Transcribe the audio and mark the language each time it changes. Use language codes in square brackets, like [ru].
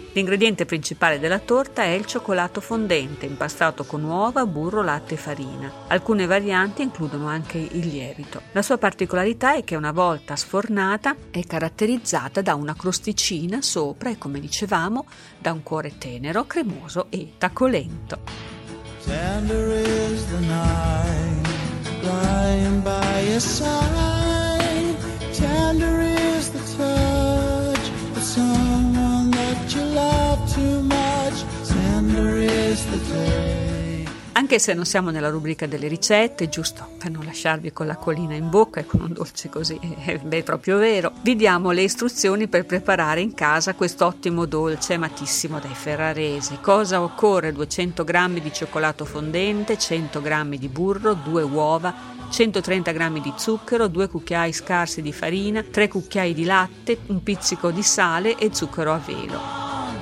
[it] L'ingrediente principale della torta è il cioccolato fondente, impastato con uova, burro, latte e farina. Alcune varianti includono anche il lievito. La sua particolarità è che una volta sfornata è caratterizzata da una crosticina sopra e, come dicevamo, da un cuore tenero, cremoso e tacolento. [en] Tender is the night. Lying by your side, tender is the touch of someone that you love too much. Tender is the day. [it] Anche se non siamo nella rubrica delle ricette, giusto per non lasciarvi con l'acquolina in bocca e con un dolce così, beh, è proprio vero, vi diamo le istruzioni per preparare in casa quest'ottimo dolce amatissimo dai ferraresi. Cosa occorre? 200 g di cioccolato fondente, 100 g di burro, 2 uova, 130 g di zucchero, 2 cucchiai scarsi di farina, 3 cucchiai di latte, un pizzico di sale e zucchero a velo.